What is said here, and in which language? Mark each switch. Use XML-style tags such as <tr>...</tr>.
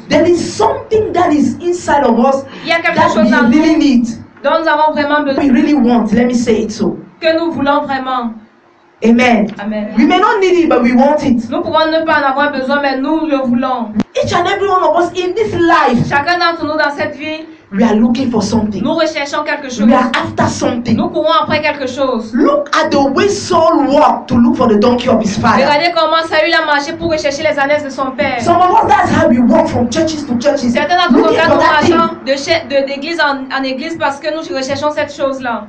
<en>There is something that is inside of us.</en> <fr>Il y a quelque chose dans</fr> <en>really</en> <fr>nous.</fr> <en>Need.</en> <fr>Dont nous avons vraiment besoin.</fr> <en>We really want. Let me say it so.</en> <fr>Que nous voulons vraiment. Amen. Amen.</fr> <en>We may not need it, but we want it.</en> <fr>Nous pouvons ne pas en avoir besoin, mais nous le voulons.</fr> <en>Each and every one of us in this life.</en> <fr>Chacun d'entre nous dans cette vie.</fr> <en>We are looking for something.</en> <fr>Nous recherchons quelque chose.</fr> <en>We are after something.</en> <fr>Nous courons après quelque chose.</fr> <en>Look at the way Saul walked to look for the donkey of his father.</en> <fr>Regardez comment Saül a marché pour rechercher les ânes de son père.</fr> <en>Some of us, that's how we walk from churches to churches.</en> <fr>Certains d'entre nous, quand nous marchons d'église en église, parce que nous recherchons cette chose-là.</fr>